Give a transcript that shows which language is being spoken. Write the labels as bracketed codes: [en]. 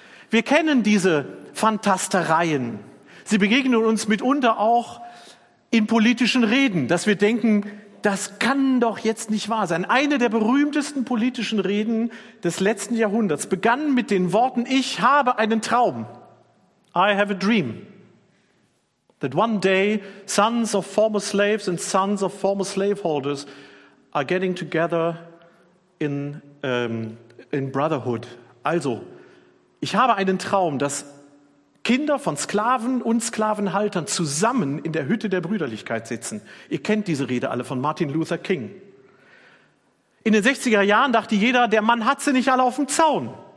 [de] Wir kennen diese Fantastereien. Sie begegnen uns mitunter auch in politischen Reden, dass wir denken, das kann doch jetzt nicht wahr sein. Eine der berühmtesten politischen Reden des letzten Jahrhunderts begann mit den Worten, ich habe einen Traum. [en] I have a dream. That one day sons of former slaves and sons of former slaveholders are getting together in brotherhood. [de] Also, ich habe einen Traum, dass Kinder von Sklaven und Sklavenhaltern zusammen in der Hütte der Brüderlichkeit sitzen. Ihr kennt diese Rede alle von Martin Luther King. In den 60er Jahren dachte jeder, der Mann hat sie nicht alle auf dem Zaun.